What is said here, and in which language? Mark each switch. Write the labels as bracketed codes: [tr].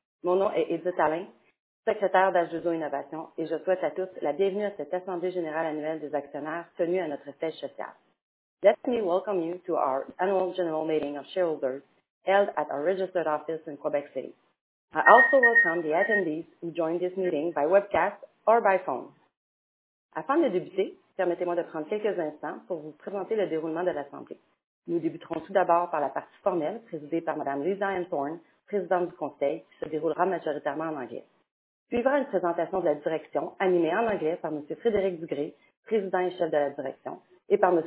[fr] Mon nom est Edith Alain, secrétaire d'H2O Innovation, et je souhaite à tous la bienvenue à cette Assemblée générale annuelle des actionnaires tenue à notre siège social. [en] Let me welcome you to our annual general meeting of shareholders held at our registered office in Quebec City. I also welcome the attendees who joined this meeting by webcast or by phone. [fr] Afin de débuter, permettez-moi de prendre quelques instants pour vous présenter le déroulement de l'Assemblée. Nous débuterons tout d'abord par la partie formelle présidée par Mme Lisa Ann Thorne, présidente du Conseil, qui se déroulera majoritairement en anglais. Suivra une présentation de la direction animée en anglais par M. Frédéric Dugré, président et chef de la direction, et par M.